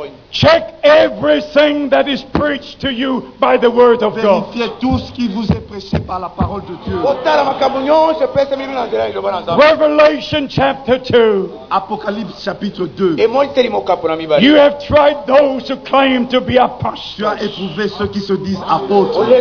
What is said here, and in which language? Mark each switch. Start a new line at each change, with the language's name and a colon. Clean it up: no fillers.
English: Check everything that is preached to you by the word of God.
French: Vérifiez tout ce qui vous est prêché par la parole de Dieu.
English: Revelation chapter 2.
French: Apocalypse chapitre 2.
English: You have tried those who claim to be apostles.
French: Tu as éprouvé ceux qui se disent apôtres.